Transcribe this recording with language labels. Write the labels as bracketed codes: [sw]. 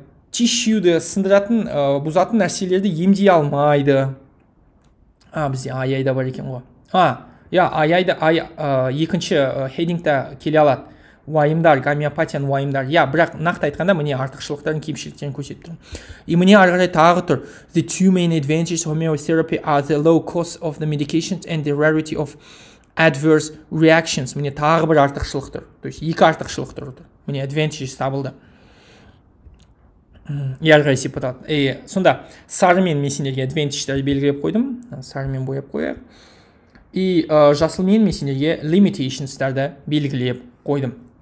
[kk] Тишюді сындыратын, бұзатын нәрселерді емдей алмайды. А, бізде аяйда бар екен ғой. Екінші хейдингта келе алады. Уайымдар, гомеопатияның уайымдар. Бірақ нақты айтқанда міне артықшылықтарын, кемшіліктерін көрсеттім. И міне ары қарай тағы тұр. [en] The two main advantages of homeotherapy are the low cost of the medications and the rarity of adverse reactions. [kk] Міне тағы бір артықшылық тұр. То есть екі артықшылық тұр. Міне advantages табылды. И ары қарай сипатталады. Сонда сары мен мәселеге advantages-ті белгілеп қойдым. Сары мен бояп қояйық. И жасылмен мен сендерге limitations-тарды белгілеп қойдым.